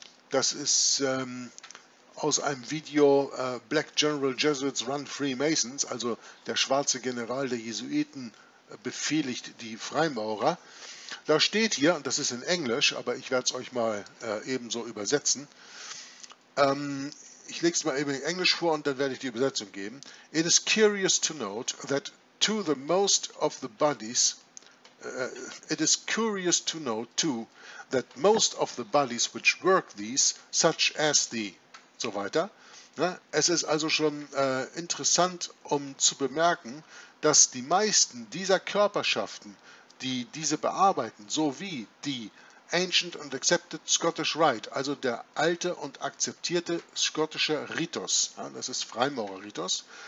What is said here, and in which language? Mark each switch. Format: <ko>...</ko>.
<de>Das ist aus einem Video</de> <en>Black General Jesuits Run Freemasons,</en> <de>also der schwarze General der Jesuiten befehligt die Freimaurer. Da steht hier, und das ist in Englisch, aber ich werde es euch mal ebenso übersetzen. Ich lege es mal eben in Englisch vor und dann werde ich die Übersetzung geben.</de> <en>It is curious to note that to the most of the bodies, it is curious to note too that most of the bodies which work these, such as the,</en> <de>so weiter. Ne? Es ist also schon interessant, um zu bemerken, dass die meisten dieser Körperschaften, die diese bearbeiten, sowie die Ancient and Accepted Scottish Rite, also der alte und akzeptierte schottische Ritus, ja, das ist Freimaurerritus,</de>